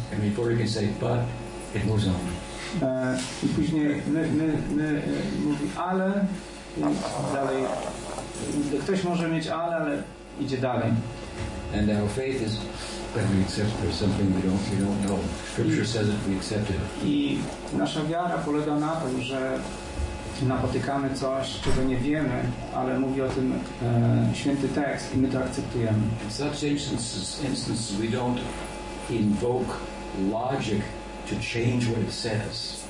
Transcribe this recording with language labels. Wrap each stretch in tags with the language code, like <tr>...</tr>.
<en>And before you can say but, it moves on.</en> <pl>I później my mówi ale, dalej. Ktoś może mieć ale idzie dalej.</pl> <en>And our faith is that we accept for something we don't know. Scripture says it, we accept it.</en> <pl>I nasza wiara polega na tym, że napotykamy coś, czego nie wiemy, ale mówi o tym święty tekst i my to akceptujemy.</pl> <en>In such instances we don't invoke logic to change what it says.</en>